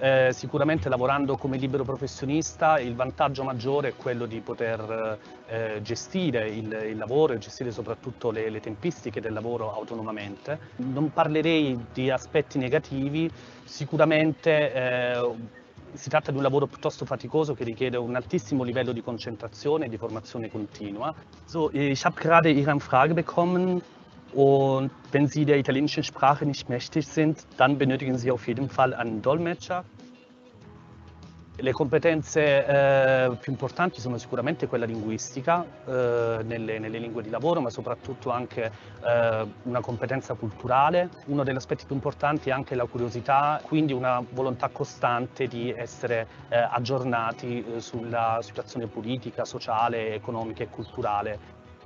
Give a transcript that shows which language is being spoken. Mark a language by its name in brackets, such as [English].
[Italian] Sicuramente lavorando come libero professionista il vantaggio maggiore è quello di poter gestire il lavoro e gestire soprattutto le tempistiche del lavoro autonomamente. Non parlerei di aspetti negativi, sicuramente si tratta di un lavoro piuttosto faticoso che richiede un altissimo livello di concentrazione e di formazione continua. [German] So, ich habe gerade Ihre Frage bekommen. Und wenn Sie der italienischen Sprache nicht mächtig sind, dann benötigen Sie auf jeden Fall einen Dolmetscher. [Italian] Le competenze più importanti sono sicuramente quella linguistica nelle lingue di lavoro, ma soprattutto anche una competenza culturale. Uno degli aspetti più importanti è anche la curiosità, quindi una volontà costante di essere aggiornati sulla situazione politica, sociale, economica e culturale.